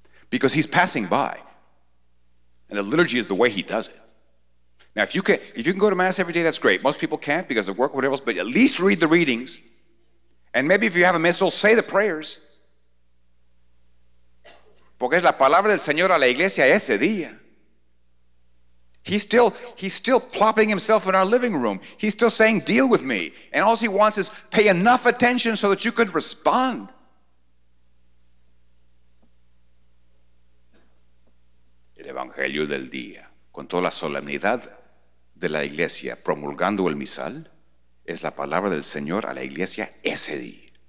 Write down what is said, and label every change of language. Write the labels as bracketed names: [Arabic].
[English] Because he's passing by. And the liturgy is the way he does it. Now, if you can go to Mass every day, that's great. Most people can't because of work or whatever else, but at least read the readings. And maybe if you have a missal, say the prayers. [Spanish] Porque es la palabra del Señor a la iglesia ese día. [English] He's still plopping himself in our living room. He's still saying, deal with me. And all he wants is pay enough attention so that you could respond. [Spanish] El Evangelio del día, con toda la solemnidad de la iglesia promulgando el misal, es la palabra del Señor a la iglesia ese día.